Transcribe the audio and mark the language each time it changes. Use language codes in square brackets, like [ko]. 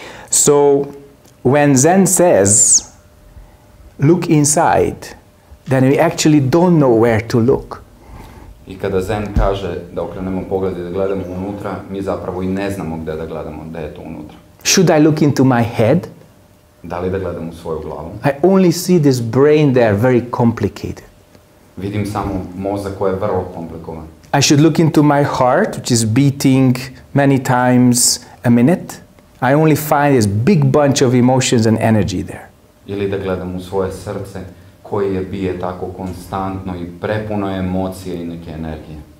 [en] So, when Zen says, look inside, then we actually don't know where to look. [sr] I kada Zen kaže da okrenemo pogled I da gledamo unutra, mi zapravo I ne znamo gde da gledamo, gde je to unutra. [en] Should I look into my head? [sr] Da li da gledam u svoju glavu? [en] I only see this brain there very complicated. [sr] Vidim samo mozak koji je vrlo komplikovan. [en] I should look into my heart, which is beating many times a minute. I only find this big bunch of emotions and energy there. [sr] Ili da gledam u svoje srce, koji je bije tako konstantno I prepuno emocije I neke energije.